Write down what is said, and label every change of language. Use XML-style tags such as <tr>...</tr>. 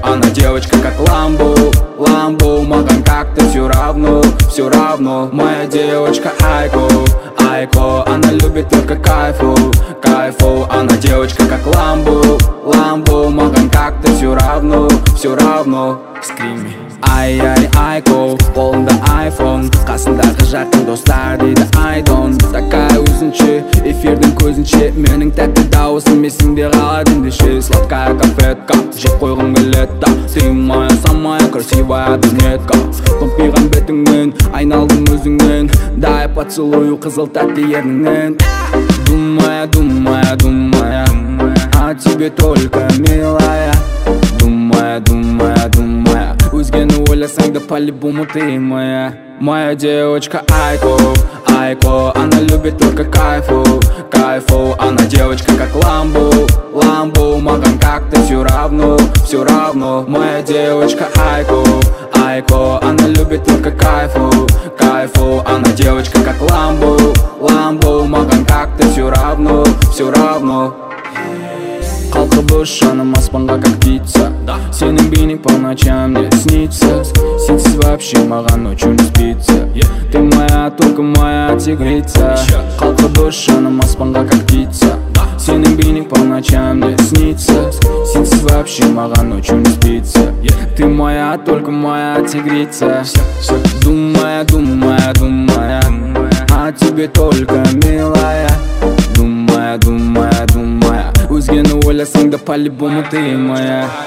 <ru>Она девочка как Ламбу, Ламбу, макан как-то все равно, все равно. Моя девочка Айко, Айко, она любит только кайфу, кайфу. Она девочка как Ламбу, Ламбу, макан как-то все равно, все равно. Скрими. Ай-яй, Айко, полный да айфон.</ru> <kk>Қасындағы жақын достар дейді айдон. Такая өзінші, эфирдің көзінші. Менің тәтті дауысым есіңде қалады ендеше.</kk> <ru>Сладкая кафетка,</ru> <kk>жеп қойғым келетта.</kk> <ru>Сыймая, самая, красивая дынетка.</ru> <kk>Тұмпиған бетіңмен, айналдың өзіңмен.</kk> <ru>Дай поцелую</ru> <kk>қызыл тәтті ернінен.</kk> <ru>Думая, думая, думая, а тебе только милая. Думая, думая, думая,</ru> <kk>өзгені ойласаң да</kk> <ru>по-любому ты моя. Моя девочка Айко, Айко, она любит только кайфу, кайфу. Она девочка как Ламбу, Ламбу, макан как-то все равно, все равно. Моя девочка Айко, Айко, она любит только кайфу, кайфу. Она девочка как Ламбу, Ламбу, макан как-то все равно, все равно.</ru> <kk>Қалқыбыш жаным аспанға</kk> <ru>как пицца, да.</ru> <kk>Сенің бейнің</kk> <ru>по ночам мне снится.</ru> <kk>Сенсіз</kk> <ru>вообще</ru> <kk>маған</kk> <ru>ночью не спится,</ru> <en>yeah.</en> <ru>Ты моя, только моя тигрица.</ru> <kk>Қалқыбыш жаным аспанға как пицца,</kk> <ru>да.</ru> <kk>Сенің бейнің</kk> <ru>по ночам мне снится.</ru> <kk>Сенсіз</kk> <ru>вообще</ru> <kk>маған</kk> <ru>ночью не спится,</ru> <en>yeah.</en> <ru>Ты моя, только моя тигрица,</ru> <en>yeah.</en> <ru>Думая, думая, думая, думая о тебе только, милая. Думая, думая, думая,</ru> <kk>өзгені ойласаң да</kk> <ru>по-любому ты моя.</ru>